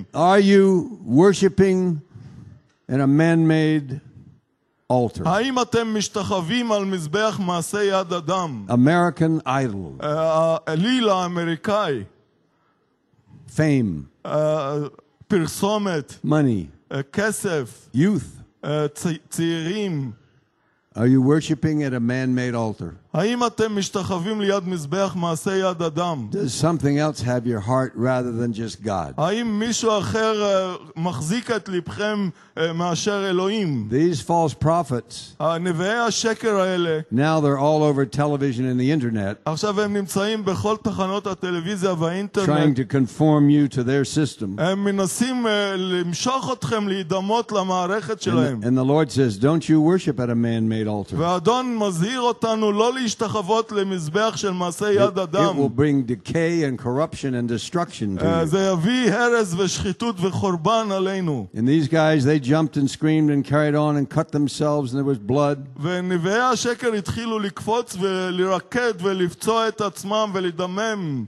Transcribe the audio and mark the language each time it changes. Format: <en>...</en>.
<en>Are you worshiping in a man-made altar?</en> <he>האם אתם משתחווים על מזבח מעשה יד אדם?</he> <en>American idol.</en> <he>אליל האמריקאי.</he> <en>Fame,</en> <he>פרסומת,</he> <en>money,</en> <he>כסף,</he> <en>youth,</en> <he>צעירים.</he> <en>Are you worshiping at a man-made altar?</en> <he>האם אתם משתחווים ליד מזבח מעשה יד אדם?</he> <en>Does something else have your heart rather than just God?</en> <he>האם מישהו אחר מחזיק את לבכם מאשר אלוהים?</he> <en>These false prophets.</en> <he>הנביאי השקר האלה.</he> <en>Now they're all over television and the internet.</en> <he>עכשיו הם נמצאים בכל תחנות הטלוויזיה והאינטרנט.</he> <en>Trying to conform you to their system.</en> <he>הם מנסים למשוך אתכם להידמות למערכת שלהם.</he> <en>And the Lord says, "Don't you worship at a man-made altar?"</en> <he>ואדון מזהיר אותנו לא להשתחוות למזבח של מעשה יד אדם.</he> <en>It will bring decay and corruption and destruction to you.</en> <he>זה יביא הרס ושחיתות וחורבן עלינו.</he> <en>And these guys, they jumped and screamed and carried on and cut themselves and there was blood.</en> <he>ונביאי השקר התחילו לקפוץ ולרקד ולפצוע את עצמם ולדמם.</he>